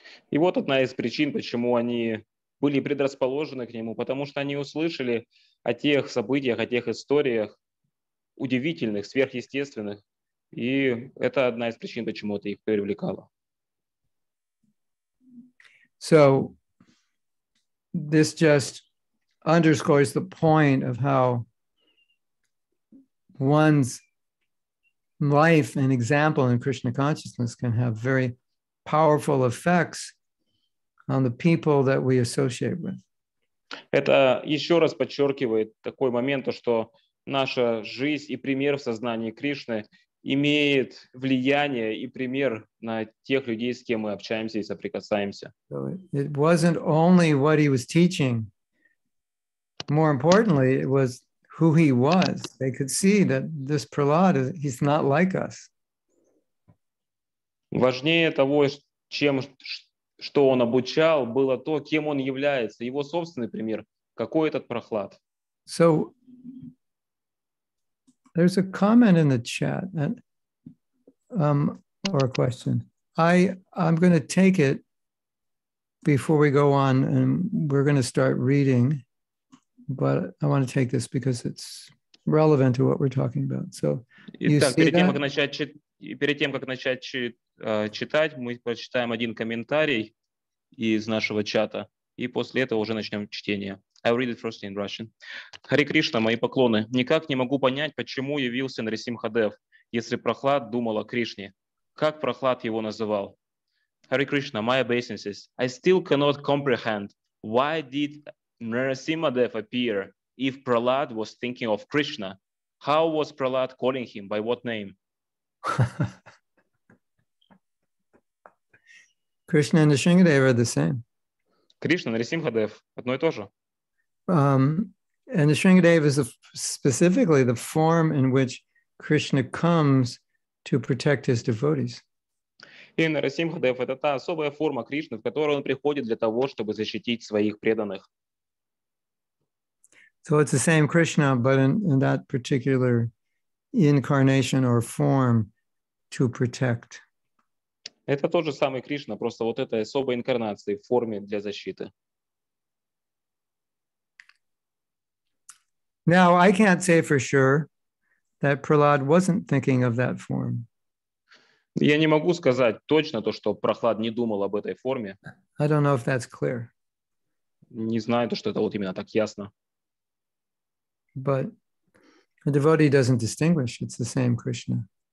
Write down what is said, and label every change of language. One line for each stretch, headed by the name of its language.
Russian: И вот одна из причин, почему они были предрасположены к нему, потому что они услышали о тех событиях, о тех историях удивительных, сверхъестественных, и это одна из причин, почему это их привлекало.
English: So this just underscores the point of how one's life and example in Krishna consciousness can have very powerful effects on the people that we associate with.
Russian: Это еще раз подчеркивает такой момент, то, что наша жизнь и пример в сознании Кришны имеет влияние и пример на тех людей, с кем мы общаемся и соприкасаемся.
English: So it wasn't only what he was teaching. More importantly, it was who he was. They could see that this Prahlad, he's not like us.
Russian: Важнее того, чем что он обучал, было то, кем он является. Его собственный пример. Какой этот Прахлад?
English: So, there's a comment in the chat and, or a question. I'm going to take it before we go on and we're going to start reading. But I want to take this because it's relevant to what we're talking about. So, you
Russian: Итак,
English: see
Russian: перед, тем, начать, перед тем, как начать читать, мы прочитаем один комментарий из нашего чата. И после этого уже начнем чтение.
English: I'll read it first in Russian. Hare Krishna,
Russian: мои поклоны. Никак не могу понять, почему явился Нарисимхадев, если Прахлад думал о Кришне. Как Прахлад его называл?
English: Hare Krishna, my obeisances. I still cannot comprehend why did Narasimhadev appear if Prahlad was thinking of Krishna. How was Prahlad calling him? By what name? Krishna and Narasimhadev are the same.
Russian: Krishna, Narasimhadev, одно и то же.
English: And Narasimhadev is specifically the form in which Krishna comes to protect his devotees.
Russian: И Нарасимхадев — это та особая форма Кришны, в которую он приходит для того, чтобы защитить своих преданных.
English: So it's the same Krishna, but in that particular incarnation or form to protect.
Russian: Это тот же самый Кришна, просто вот этой особой инкарнации в форме для защиты.
English: Now, I can't say for sure that Prahlad wasn't thinking of that form.
Russian: Я не могу сказать точно то, что Прахлад не думал об этой форме.
English: I don't know if that's clear.
Russian: Не знаю то, что это вот именно так ясно.
English: But a devotee doesn't distinguish, it's the same Krishna.